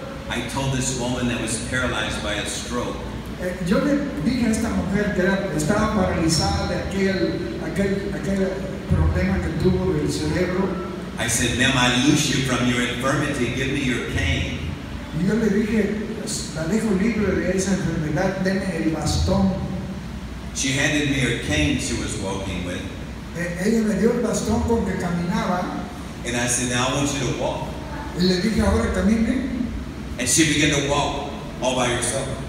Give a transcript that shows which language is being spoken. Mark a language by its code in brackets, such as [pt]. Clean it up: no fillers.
[en] I told this woman that was paralyzed by a stroke. [es] Yo le dije a esta mujer que estaba paralizada de aquel problema que tuvo del cerebro. [en] I said, ma'am, I lose you from your infirmity. Give me your cane. [es] Y yo le dije, la dejo libre de esa enfermedad, deme el bastón. [en] She handed me her cane she was walking with. [es] Ella me dio el bastón con que caminaba. [en] And I said, now I want you to walk. [es] Y le dije, ahora camine. [en] And she began to walk all by herself.